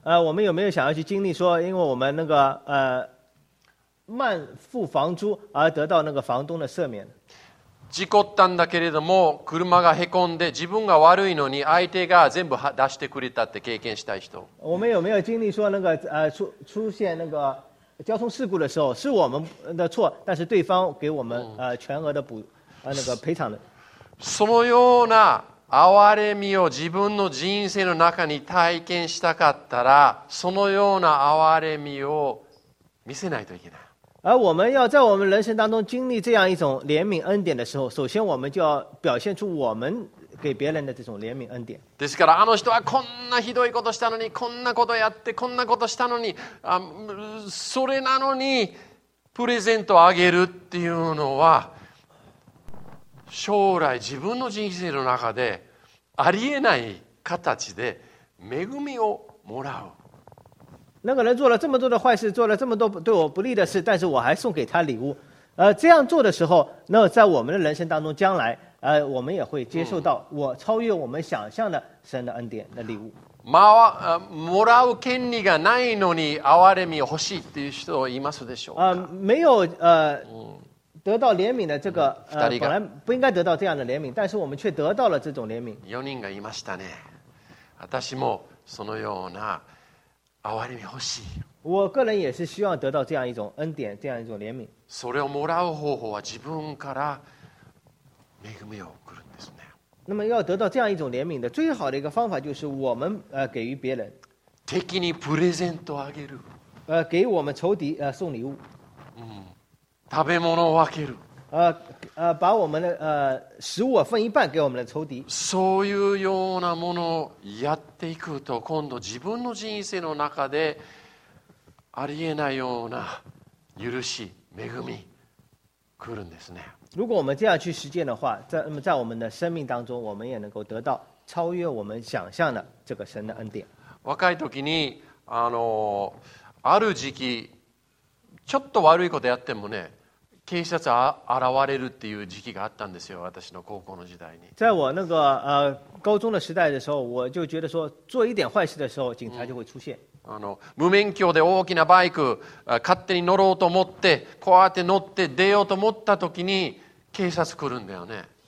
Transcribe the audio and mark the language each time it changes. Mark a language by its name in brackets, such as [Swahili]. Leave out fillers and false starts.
[Chinese] 我们有没有想要去经历说，因为我们那个慢付房租而得到那个房东的赦免？ [Japanese] 事故ったんだけれども車がへこんで自分が悪いのに相手が全部出してくれたって経験したい人。 [Chinese] 我们有没有经历说那个出现那个交通事故的时候是我们的错，但是对方给我们全额的那个赔偿的。 [Japanese] そのような哀れみを自分の人生の中に体験したかったら、そのような哀れみを見せないといけない。 [Chinese] 而我们要在我们人生当中经历这样一种怜悯恩典的时候，首先我们就要表现出我们给别人的这种怜悯恩典。 [Japanese] ですから、あの人はこんなひどいことしたのに、こんなことやって、こんなことしたのに、あ、それなのにプレゼントをあげるっていうのは、将来自分の人生の中でありえない形で恵みをもらう。 [Chinese] 那个人做了这么多的坏事，做了这么多对我不利的事，但是我还送给他礼物。这样做的时候，那在我们的人生当中，将来，我们也会接受到我超越我们想象的神的恩典的礼物。 [Japanese] もらう権利がないのに憐れみ欲しいっていう人はいますでしょうか？ [Chinese] 没有得到怜悯的这个，本来不应该得到这样的怜悯，但是我们却得到了这种怜悯。 [Japanese] 四人がいましたね。私もそのような。憐れみ欲しい。 [Chinese] 我个人也是希望得到这样一种恩典，这样一种怜悯。 [Japanese] それをもらう方法は自分から恵みを送るんですね。 [Chinese] 那么要得到这样一种怜悯的最好的一个方法就是我们给予别人。 [Japanese] 敵にプレゼントあげる。 [Chinese] 给我们仇敌送礼物。 [Japanese] 食べ物を分ける。 [Chinese] 把我们的食物分一半给我们的仇敌。 [Japanese] そういうようなものをやっていくと、今度自分の人生の中でありえないような許し恵み来るんですね。 [Chinese] 如果我们这样去实践的话，在我们的生命当中，我们也能够得到超越我们想象的这个神的恩典。 [Japanese] 若い時にある時期ちょっと悪いことやってもね。警察が現れるっていう時期があったんですよ、私の高校の時代に。 [Chinese] 在我那个高中的时代的时候，我就觉得说，做一点坏事的时候，警察就会出现。 [Japanese] 無免許で大きなバイク勝手に乗ろうと思って、こうやって乗って出ようと思った時に警察来るんだよね。